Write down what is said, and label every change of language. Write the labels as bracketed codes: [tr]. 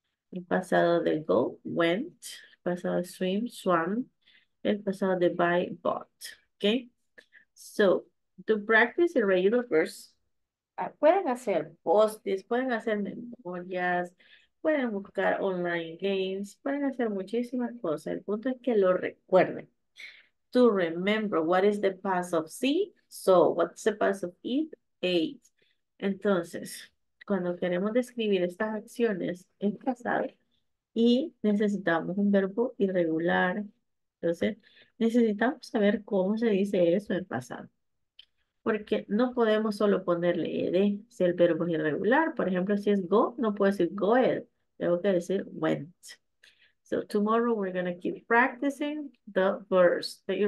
[es] El pasado de go, went. El pasado de swim, swam. El pasado de buy, bought. Okay? [en] So, to practice irregular verbs, [es] pueden hacer posts, pueden hacer memorias, pueden buscar online games, pueden hacer muchísimas cosas. El punto es que lo recuerden. [en] To remember what is the past of see. So, what's the past of eat? Eight. [es] Entonces, cuando queremos describir estas acciones en pasado y necesitamos un verbo irregular, entonces necesitamos saber cómo se dice eso en pasado. Porque no podemos solo ponerle ed si el verbo es irregular. Por ejemplo, si es go, no puedo decir goed, tengo que decir went. [en] So tomorrow we're going to keep practicing the verbs.